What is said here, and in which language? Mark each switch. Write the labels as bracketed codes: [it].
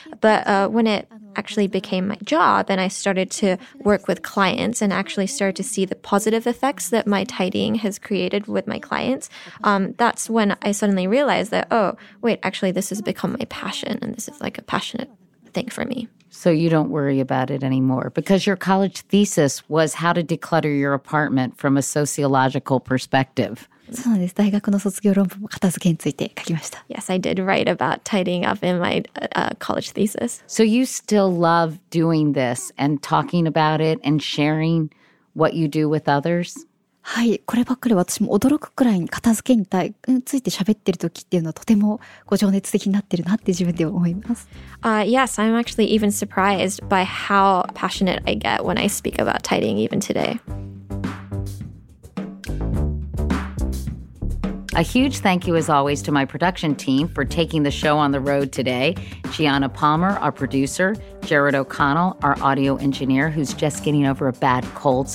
[en] But when it actually became my job and I started to work with clients and actually started to see the positive effects that my tidying has created with my clients, that's when I suddenly realized that, oh, wait, actually, this has become my passion and this is like a passionate thing for me. So you don't worry about it anymore because your college thesis was how to declutter your apartment from a sociological perspective. [ja] そうなんです。大学の卒業論文も片付けについて書きました。 [en] Yes, I did write about tidying up in my college thesis. So you still love doing this and talking about it and sharing what you do with others? [ja] はい、こればっかり私も驚くくらいに片付けについて喋ってる時っていうのはとてもご情熱的になってるなって自分では思います。 [en] Yes, I'm actually even surprised by how passionate I get when I speak about tidying even today. A huge thank you as always to my production team for taking the show on the road today. Gianna Palmer, our producer, Jared O'Connell, our audio engineer, who's just getting over a bad cold.